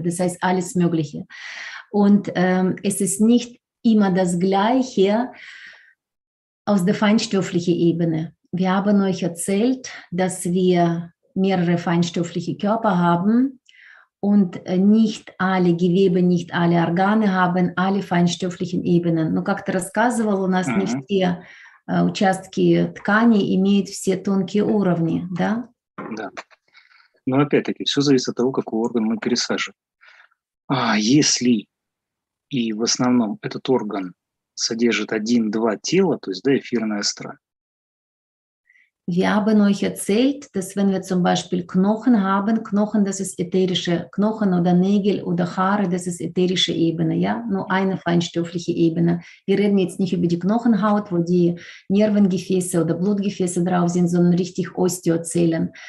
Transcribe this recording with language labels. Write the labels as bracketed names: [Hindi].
[German] Das heißt, alles Mögliche. Und es ist nicht immer das Gleiche aus der feinstofflichen Ebene. Wir haben euch erzählt, dass wir mehrere feinstoffliche Körper haben. Und nicht alle Gewebe, nicht alle Organe haben alle feinstofflichen Ebenen. [Russian] Но как ты рассказывал, у нас не все участки ткани имеют все тонкие уровни, да? Да. Но опять-таки, все зависит от того, какой орган мы пересаживаем. Если и в основном этот орган содержит один-два тела, то есть, да, эфирная астра. [German] Wir haben euch erzählt, dass wenn wir zum Beispiel Knochen haben, Knochen, das ist ätherische Knochen oder Nägel oder Haare, das ist ätherische Ebene, ja, nur eine feinstoffliche Ebene. Wir reden jetzt nicht über die Knochenhaut, wo die Nervengefäße oder Blutgefäße drauf sind, sondern richtig Osteozellen.